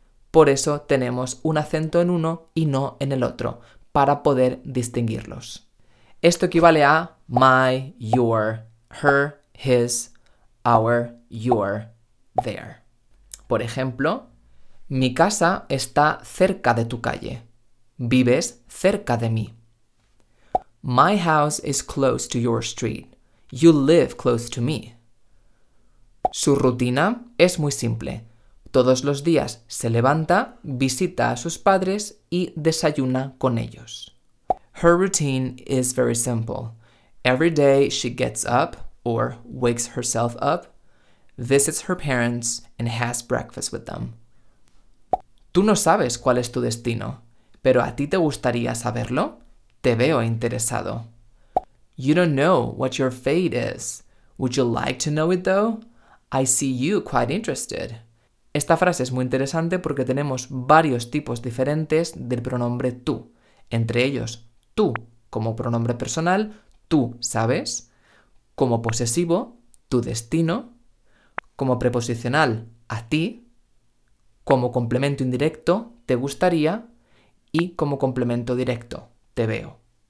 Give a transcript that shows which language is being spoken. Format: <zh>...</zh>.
<es>Por eso tenemos un acento en uno y no en el otro, para poder distinguirlos. Esto equivale a</es> <en>my, your, her, his, our, your, their.</en> <es>Por ejemplo, mi casa está cerca de tu calle. Vives cerca de mí.</es> <en>My house is close to your street. You live close to me.</en> <es>Su rutina es muy simple. Todos los días se levanta, visita a sus padres y desayuna con ellos.</es> <en>Her routine is very simple. Every day she gets up, or wakes herself up, visits her parents, and has breakfast with them.</en> <es>Tú no sabes cuál es tu destino, pero ¿a ti te gustaría saberlo? Te veo interesado.</es> <en>You don't know what your fate is. Would you like to know it, though? I see you quite interested.</en> <es>Esta frase es muy interesante porque tenemos varios tipos diferentes del pronombre tú, entre ellos tú como pronombre personal, tú sabes, como posesivo, tu destino, como preposicional, a ti, como complemento indirecto, te gustaría, y como complemento directo, te veo.</es>